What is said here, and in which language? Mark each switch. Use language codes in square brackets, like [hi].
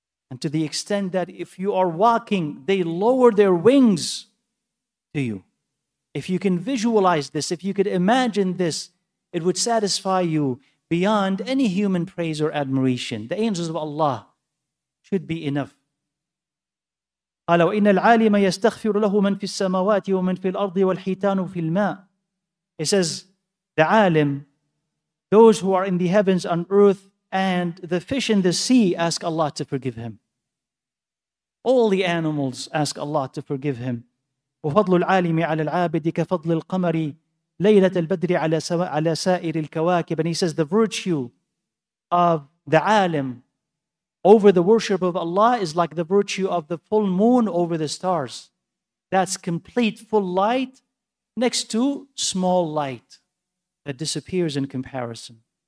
[en] And to the extent that if you are walking, they lower their wings to you. If you can visualize this, if you could imagine this, it would satisfy you beyond any human praise or admiration. The angels of Allah should be enough. [ar] قال وإن العالم يستغفر له من في السماوات ومن في الأرض والحيتان في الماء. [en] He says, the alim, those who are in the heavens and earth and the fish in the sea, ask Allah to forgive him. All the animals ask Allah to forgive him. [ar] وفضل العالم على العابد كفضل القمر ليلة البدر على سائر الكواكب. [en] And he says, the virtue of the alim over the worship of Allah is like the virtue of the full moon over the stars. That's complete full light next to small light that disappears in comparison.